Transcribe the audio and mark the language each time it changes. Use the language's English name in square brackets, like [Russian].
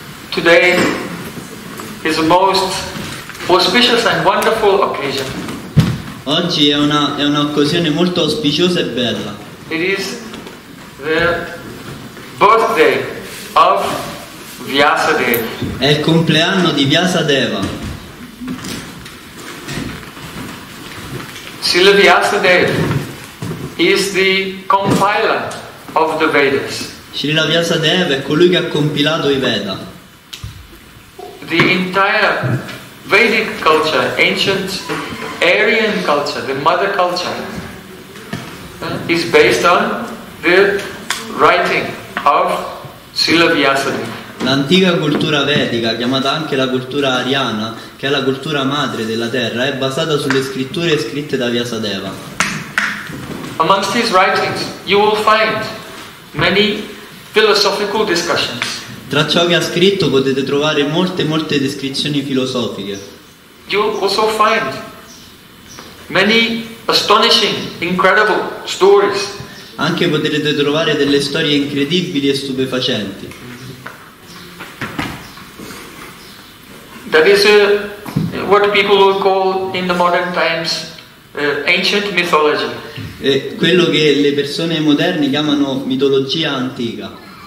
[English] Today is a most auspicious and wonderful occasion. [Italian] Oggi è una occasione molto auspiciosa e bella. [English] It is the birthday of Vyasadeva. [Italian] È il compleanno di Vyasadeva. [English] Srila Vyasadeva is the compiler of the Vedas. [Italian] Srila Vyasadeva è colui che ha compilato i Veda. [English] The entire Vedic culture, ancient Aryan culture, the mother culture, is based on the writing of Srila Vyasadeva. [Italian] L'antica cultura vedica, chiamata anche la cultura ariana, che è la cultura madre della terra, è basata sulle scritture scritte da Vyasadeva. [English] Amongst his writings, you will find many philosophical discussions. [Italian] Tra ciò che ha scritto potete trovare molte descrizioni filosofiche. [English] You will also find many astonishing, incredible stories. [Italian] Anche potrete trovare delle storie incredibili e stupefacenti. [English] That is what people will call in the modern times ancient mythology. [Italian] È quello che le persone moderne chiamano mitologia antica.